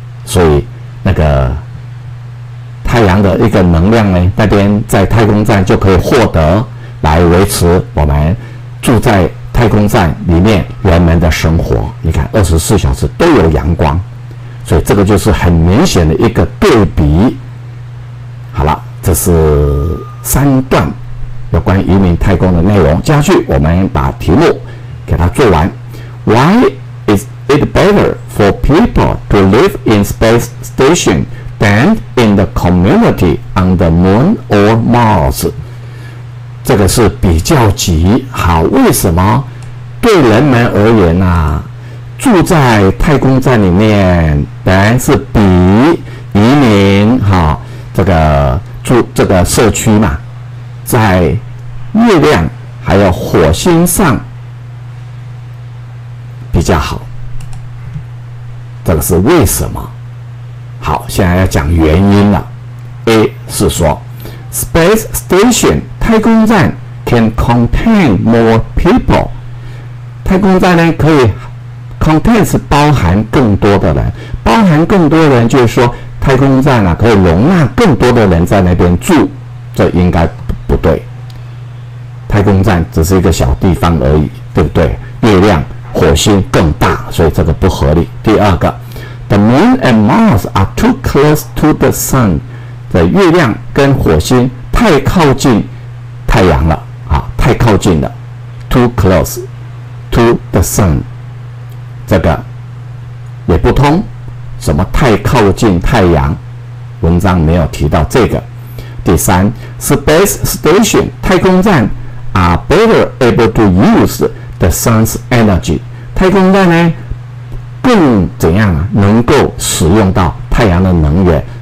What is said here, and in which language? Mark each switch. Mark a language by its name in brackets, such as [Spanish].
[Chinese] 所以那个太阳的一个能量呢，那边在太空站就可以获得，来维持我们住在太空站里面人们的生活。你看24小时都有阳光，所以这个就是很明显的一个对比。好了，这是三段有关移民太空的内容。下去我们把题目给它做完。 [English] Why is it better for people to live in space station than in the community on the moon or Mars？ [Chinese] 这个是比较级。好，为什么对人们而言啊，住在太空站里面当然是比移民哈，这个住这个社区嘛，在月亮还有火星上较好，这个是为什么？好，现在要讲原因了。 A 是说 Space Station 太空站 [English] can contain more people， [Chinese] 太空站呢可以 [English] contain [Chinese] 是包含更多的人，包含更多人就是说太空站啊可以容纳更多的人在那边住，这应该 不对。太空站只是一个小地方而已，对不对？月亮火星更大，所以这个不合理。第二个， [English] The moon and Mars are too close to the sun， [Chinese] 这月亮跟火星太靠近太阳了啊，太靠近了， [English] too close to the sun， [Chinese] 这个也不通。什么太靠近太阳，文章没有提到这个。第三， Space Station 太空站 [English] are better able to use the sun's energy， [Chinese] 太空站呢更怎样啊，能够使用到太阳的能源。